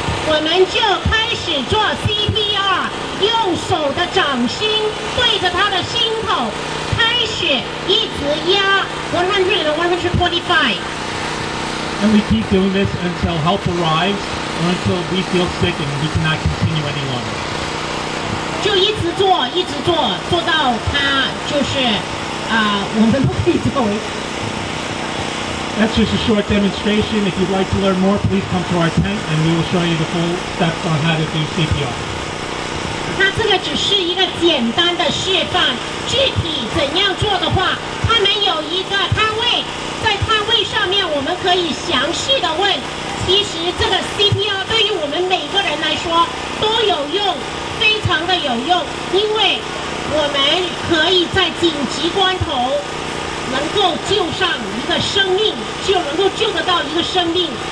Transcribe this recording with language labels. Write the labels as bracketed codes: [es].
[zh] 我们就开始做 CPR， 用手的掌心对着他的心口。 [en] And we keep doing this until help arrives or until we feel sick and we cannot continue any longer. [zh] 就一直做，一直做，做到他就是我们不可以做了。 [en] That's just a short demonstration. If you'd like to learn more, please come to our tent and we will show you the full steps on how to do CPR. [zh] 这个只是一个简单的示范，具体怎样做的话，他们有一个摊位，在摊位上面我们可以详细的问。其实这个 CPR 对于我们每个人来说都有用，非常的有用，因为我们可以在紧急关头能够救上一个生命，就能够救得到一个生命。